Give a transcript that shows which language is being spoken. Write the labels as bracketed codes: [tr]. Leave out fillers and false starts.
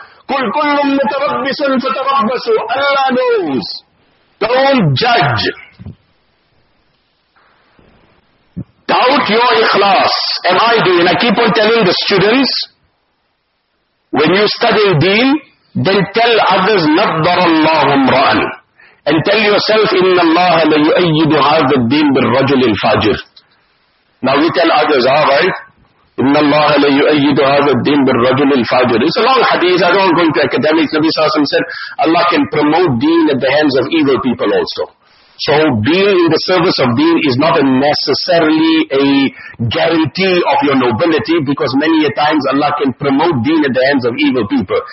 [ar] Kul kullu mutarabbisun fatarabbasu. [en] Allah knows. Don't judge. Doubt your ikhlas. And I do. And I keep on telling the students, when you study deen, then tell others, [ar] نَبَّرَ اللَّهُ مْرَأَنْ. [en] And tell yourself, [ar] إِنَّ اللَّهَ لَيُؤَيِّدُ هَذَا الدِّينَ بِالرَّجُلِ الْفَاجِرِ. [en] Now we tell others, alright, [ar] إِنَّ اللَّهَ لَيُؤَيِّدُ هَذَا الدِّينَ بِالرَّجُلِ الْفَاجِرِ. [en] It's a long hadith. I don't go into academics. Nabi Sallallahu Alaihi Wasallam said, Allah can promote deen at the hands of evil people also. So being in the service of deen is not necessarily a guarantee of your nobility, because many a times Allah can promote deen at the hands of evil people.